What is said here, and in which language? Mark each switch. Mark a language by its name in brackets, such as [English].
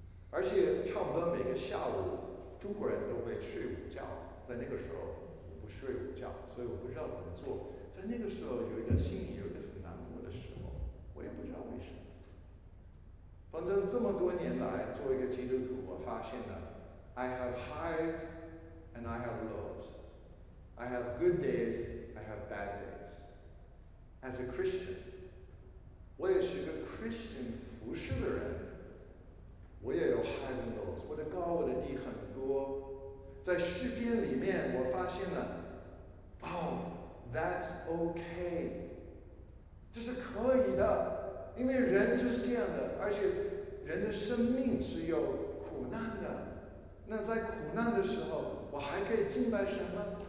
[Chinese] 而且差不多每个下午，中国人都会睡午觉，在那个时候我不睡午觉，所以我不知道怎么做。在那个时候有一个心里有一个很难过的时候，我也不知道为什么。反正这么多年来做一个基督徒，我发现了 [English] I have highs and I have lows. I have good days, I have bad days. As a Christian, [Chinese] 我也是个 Christian 服侍的人，我也有 [English] highs and lows. [Chinese] 我的高我的低很多。在诗篇里面我发现了，哦， [English] that's okay. [Chinese] 这是可以的，因为人就是这样的，而且人的生命是有苦难的。那在苦难的时候，我还可以敬拜神吗？